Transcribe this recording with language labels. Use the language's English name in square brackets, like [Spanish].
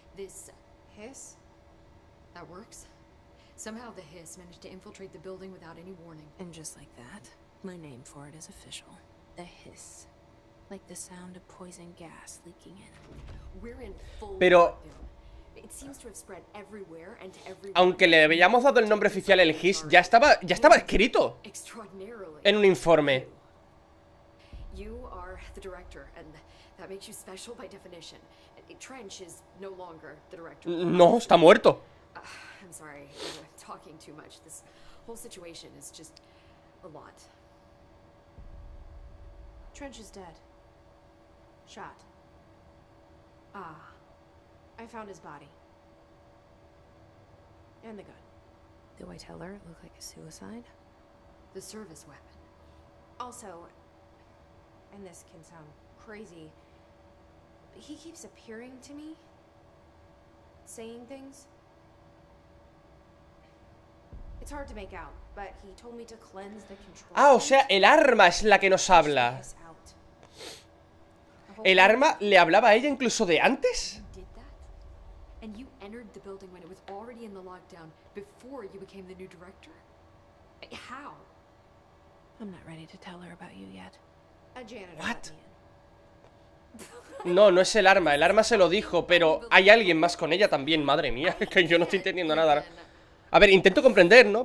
[English] this hiss that works somehow. The hiss managed to infiltrate the building without any warning, and just like that, my name for it is official. The hiss, like the sound of poison gas leaking in. We're in full. [Spanish] Pero [English] it seems to have spread everywhere and to everyone. [Spanish] Aunque le habíamos dado el nombre oficial, el hiss ya estaba escrito en un informe. [English] You are the director, and that makes you special by definition. Trench is no longer the director. [Spanish] No, está muerto. [English] I'm sorry, I'm talking too much. This whole situation is just a lot. Trench is dead. Shot. Ah, I found his body. And the gun. Do I tell her it looked like a suicide? The service weapon. Also, and this can sound crazy, he keeps appearing to me, saying things. It's hard to make out, but he told me to cleanse the control. [Spanish] Ah, o sea, el arma es la que nos habla. El arma le hablaba a ella incluso de antes. [English] And you entered the building when it was already in the lockdown, before you became the new director. How? I'm not ready to tell her about you yet. A janitor. What? [Spanish] No, no es el arma. El arma se lo dijo, pero hay alguien más con ella también. Madre mía, que yo no estoy entendiendo nada. A ver, intento comprender, ¿no?